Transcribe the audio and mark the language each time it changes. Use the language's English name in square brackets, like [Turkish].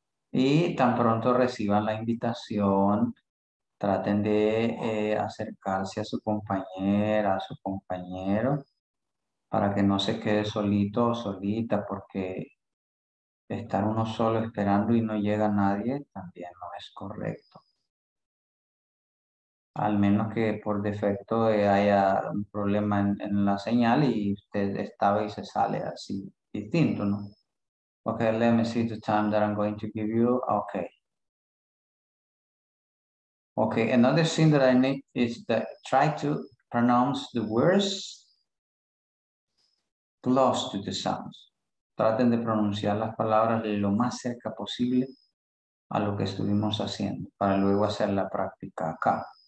[Spanish] Y tan pronto reciban la invitación, traten de acercarse a su compañera, a su compañero, para que no se quede solito o solita, porque estar uno solo esperando y no llega nadie también no es correcto. Al menos que por defecto haya un problema en la señal y usted estaba y se sale así, distinto, ¿no? [English] Okay, let me see the time that I'm going to give you. Okay. Okay, another thing that I need is that try to pronounce the words close to the sounds. [Spanish] Traten de pronunciar las palabras lo más cerca posible a lo que estuvimos haciendo para luego hacer la práctica acá.